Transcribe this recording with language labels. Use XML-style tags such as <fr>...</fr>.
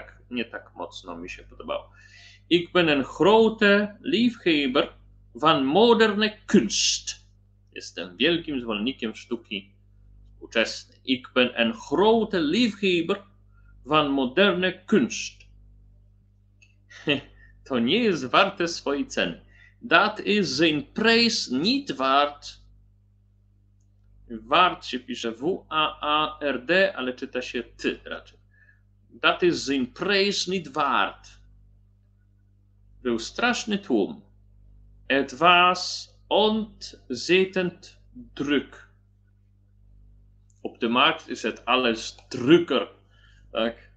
<pl>Nie tak mocno mi się podobało.</pl> <nl>Ik ben een grote liefhebber van moderne kunst.</nl> <pl>Jestem wielkim zwolennikiem sztuki współczesnej.</pl> <nl>Ik ben een grote liefhebber van moderne kunst.</nl> <pl>To nie jest warte swojej ceny.</pl> <nl>Dat is zijn prijs niet waard.</nl> <pl>Waard się pisze W-A-A-R-D, ale czyta się ty raczej.</pl> <nl>Dat is zijn prijs niet waard.</nl> <pl>Był straszny tłum.</pl> <nl>Het was ontzettend druk. Op de markt is het alles drukker. Tak?</nl>